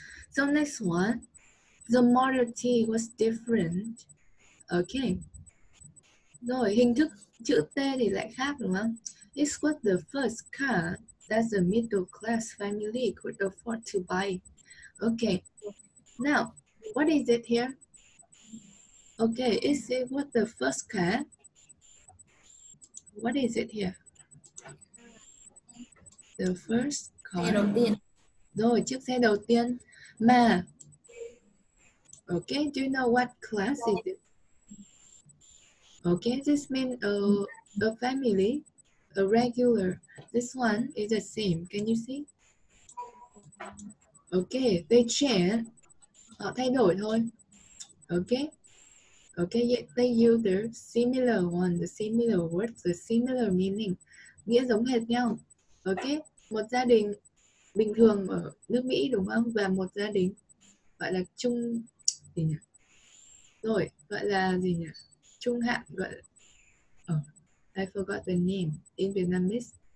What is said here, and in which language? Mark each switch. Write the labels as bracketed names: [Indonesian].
[English] So next one, the Model T was different. Okay. [Vietnamese] Rồi hình thức chữ T thì lại khác đúng không? [English] It was the first car that the middle class family could afford to buy. Okay. Now, what is it here? Okay, is it what the first car? What is it here? The first car. [Vietnamese] Xe đầu tiên. Rồi, chiếc xe đầu tiên. Mà. [English] Okay, do you know what class is it? Okay, this means a family, a regular. This one is the same. Can you see? Okay, they change. [Vietnamese] Họ thay đổi thôi. [English] Okay. Okay, yet they use the similar one, the similar word, the similar meaning. [Vietnamese] Nghĩa giống hệt nhau. Okay, một gia đình bình thường ở nước Mỹ đúng không? Và một gia đình gọi là trung gì nhỉ? Rồi, gọi là gì nhỉ? Trung hạn gọi là... [English] Oh, I forgot the name in Vietnamese.